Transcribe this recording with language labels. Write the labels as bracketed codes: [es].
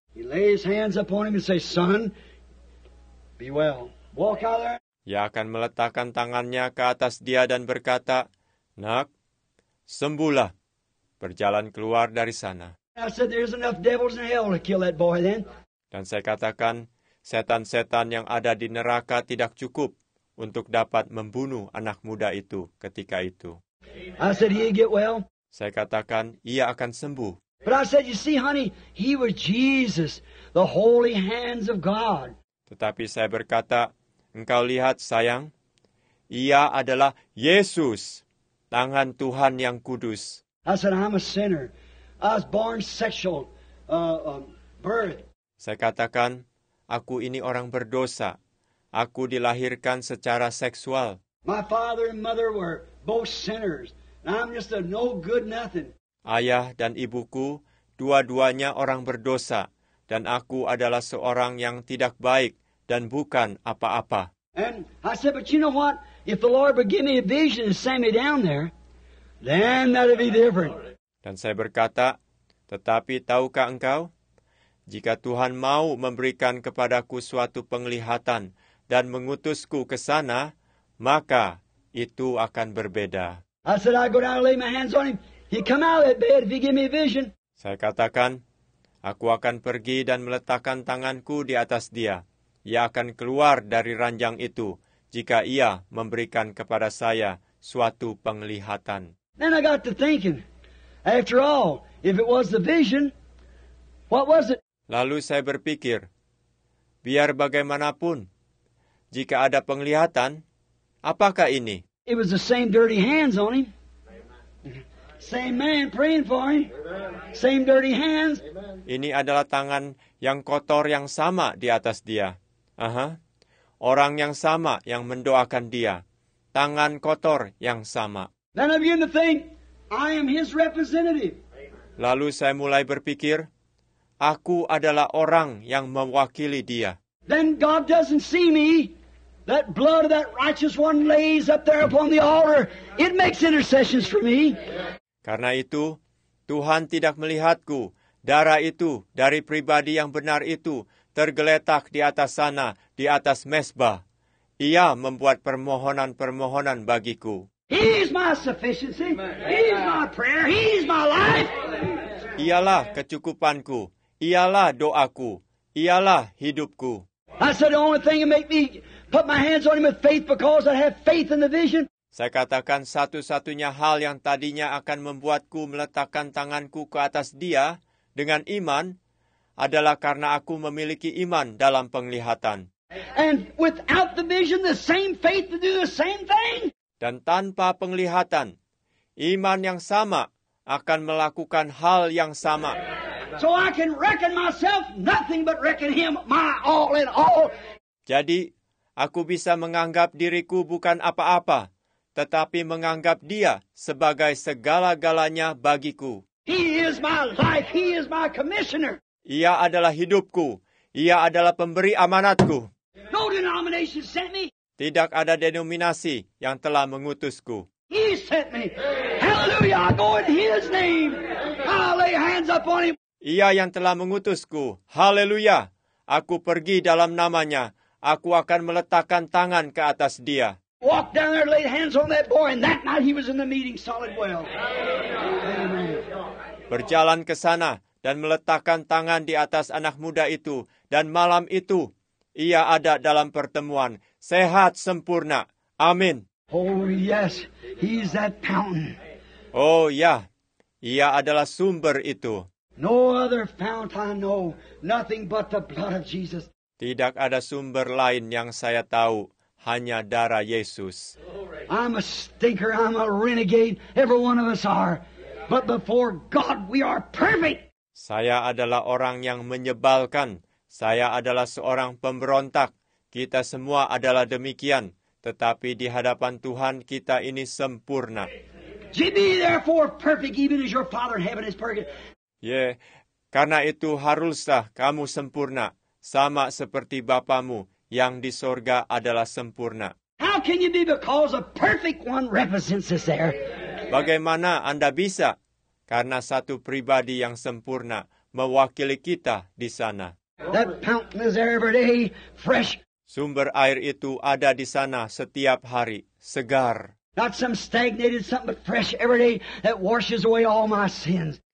[en] He lay his hands upon him and say, son, be well. Walk out there. [id] Ia akan meletakkan tangannya ke atas dia dan berkata, nak, sembuhlah. Berjalan keluar dari sana. [en] I said, there's enough devils in hell to kill that boy then. [id] Dan saya katakan, setan-setan yang ada di neraka tidak cukup untuk dapat membunuh anak muda itu ketika itu. [en] I said, he'll get well. [id] Saya katakan, ia akan sembuh. [en] But I said, you see, honey, he was Jesus, the holy hands of God. [id] Tetapi saya berkata, engkau lihat, sayang, ia adalah Yesus, tangan Tuhan yang kudus. [en] I said, I'm a sinner. I was born sexual birth. [id] Saya katakan, aku ini orang berdosa. Aku dilahirkan secara seksual. [en] My father and mother were both sinners. I'm just a no good nothing. [id] Ayah dan ibuku, dua-duanya orang berdosa. Dan aku adalah seorang yang tidak baik dan bukan apa-apa. [en] And I said, but you know what? If the Lord would give me a vision and send me down there, then that'd be different. [id] Dan saya berkata, tetapi tahukah engkau? Jika Tuhan mau memberikan kepadaku suatu penglihatan dan mengutusku ke sana, maka itu akan berbeda. [en] I said, I go down and lay my hands on him. He come out of that bed if he give me a vision. [id] Saya katakan, aku akan pergi dan meletakkan tanganku di atas dia. Ia akan keluar dari ranjang itu jika ia memberikan kepada saya suatu penglihatan. [en] Then I got to thinking, after all, if it was the vision, what was it? [id] Lalu saya berpikir, biar bagaimanapun, jika ada penglihatan, apakah ini? [en] It was the same dirty hands on him. Same man praying for him. Same dirty hands. [id] Ini adalah tangan yang kotor yang sama di atas dia. Orang yang sama yang mendoakan dia. Tangan kotor yang sama. [en] Then I begin to think, I am his representative. [id] Lalu saya mulai berpikir, aku adalah orang yang mewakili dia. [en] Then God doesn't see me. That blood of that righteous one lays up there upon the altar. It makes intercessions for me. [id] Karena itu, Tuhan tidak melihatku. Darah itu dari pribadi yang benar itu tergeletak di atas sana, di atas mesbah. Ia membuat permohonan-permohonan bagiku. [en] He's my sufficiency. He's my prayer. He's my life. [id] Ialah kecukupanku. Ialah doaku. Ialah hidupku. [en] I said the only thing that make me put my hands on him with faith because I have faith in the vision. [id] Saya katakan satu-satunya hal yang tadinya akan membuatku meletakkan tanganku ke atas dia dengan iman adalah karena aku memiliki iman dalam penglihatan. [en] And without the vision, the same faith to do the same thing. [id] Dan tanpa penglihatan, iman yang sama akan melakukan hal yang sama. [en] So I can reckon myself nothing but reckon him my all in all. [id] Jadi aku bisa menganggap diriku bukan apa-apa, tetapi menganggap dia sebagai segala-galanya bagiku. [en] He is my life, he is my commissioner. [id] Ia adalah hidupku, ia adalah pemberi amanatku. [en] No denomination sent me. [id] Tidak ada denominasi yang telah mengutusku. [en] He sent me. Hallelujah, I go in his name. I lay hands up on him. [id] Ia yang telah mengutusku. Haleluya. Aku pergi dalam namanya. Aku akan meletakkan tangan ke atas dia. [en] Walk down there, laid hands on that boy, and that night he was in the meeting solid well. [id] Amen. Berjalan ke sana dan meletakkan tangan di atas anak muda itu. Dan malam itu, ia ada dalam pertemuan. Sehat sempurna. Amin. [en] Oh, yes. He's that fountain. [id] Oh, ya. Ia adalah sumber itu. [en] No other fountain I know, nothing but the blood of Jesus. [id] Tidak ada sumber lain yang saya tahu, hanya darah Yesus. [en] I'm a stinker, I'm a renegade, every one of us are. But before God, we are perfect. [id] Saya adalah orang yang menyebalkan. Saya adalah seorang pemberontak. Kita semua adalah demikian. Tetapi di hadapan Tuhan, kita ini sempurna. [en] Be therefore perfect, even as your Father in heaven is perfect. [id] Yeah, karena itu haruslah kamu sempurna, sama seperti Bapamu yang di sorga adalah sempurna. [en] How can you be because a perfect one represents us there? [id] Bagaimana Anda bisa? Karena satu pribadi yang sempurna mewakili kita di sana. [en] That fountain is there every day, fresh. [id] Sumber air itu ada di sana setiap hari, segar. [en] Not some stagnated something, but fresh every day that washes away all my sins.